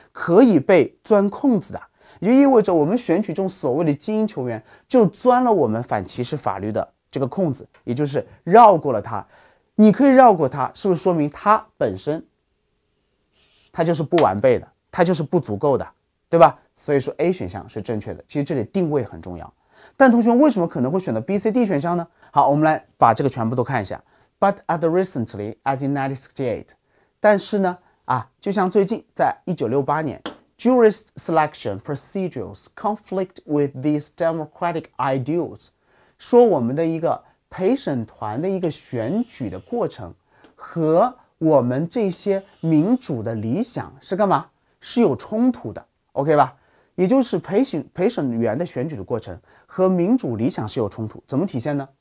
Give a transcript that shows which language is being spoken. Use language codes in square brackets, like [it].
[zh] 可以被钻空子的。也就意味着我们选举中所谓的精英球员就钻了我们反歧视法律的这个空子，也就是绕过了它。你可以绕过它，是不是说明它本身它就是不完备的，它就是不足够的，对吧？所以说 A 选项是正确的，其实这里定位很重要。但同学为什么可能会选择 BCD 选项呢？好，我们来把这个全部都看一下。 [en] But as recently as in 1968, [zh] 但是呢啊，就像最近在1968年， [en] Jurist selection procedures conflict with these democratic ideals. [zh] 说我们的一个陪审团的一个选举的过程和我们这些民主的理想是干嘛？是有冲突的 ，OK 吧？也就是陪审员的选举的过程和民主理想是有冲突，怎么体现呢？